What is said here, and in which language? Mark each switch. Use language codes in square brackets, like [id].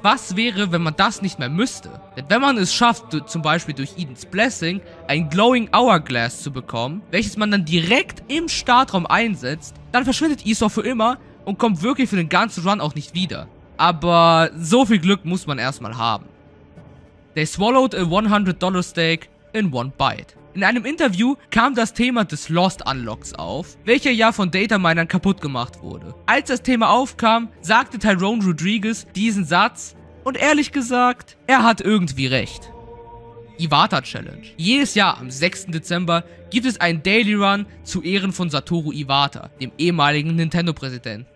[de] Was wäre, wenn man das nicht mehr müsste? Denn wenn man es schafft, zum Beispiel durch Edens Blessing, ein Glowing Hourglass zu bekommen, welches man dann direkt im Startraum einsetzt, dann verschwindet Esau für immer und kommt wirklich für den ganzen Run auch nicht wieder. Aber so viel Glück muss man erstmal haben. [en] They swallowed a $100 steak in one bite. [de] In einem Interview kam das Thema des Lost Unlocks auf, welcher ja von Dataminern kaputt gemacht wurde. Als das Thema aufkam, sagte Tyrone Rodriguez diesen Satz und ehrlich gesagt, er hat irgendwie recht. Iwata Challenge. Jedes Jahr am 6. Dezember gibt es einen Daily Run zu Ehren von Satoru Iwata, dem ehemaligen Nintendo-Präsidenten.